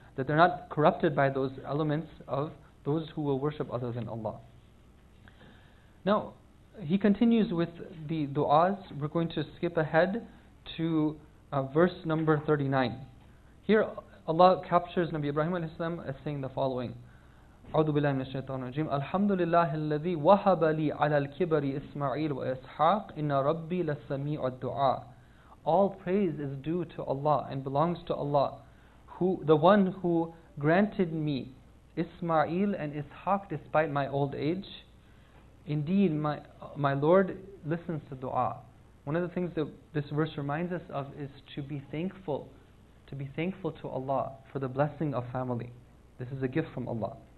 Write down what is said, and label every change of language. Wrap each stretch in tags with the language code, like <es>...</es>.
<en>That they're not corrupted by those elements of those who will worship other than Allah. Now, he continues with the du'as. We're going to skip ahead to verse number 39. Here, Allah captures Nabi Ibrahim alayhi salam as saying the following.</en> <ar>أعوذ بالله من الشيطان الرجيم الحمد لله الذي وهب لي على الكبر إسماعيل وإسحاق إن ربي لسميع الدعاء.</ar> <en>All praise is due to Allah and belongs to Allah, the one who granted me Ismail and Ishaq despite my old age. Indeed, my Lord listens to dua. One of the things that this verse reminds us of is to be thankful to Allah for the blessing of family. This is a gift from Allah.</en>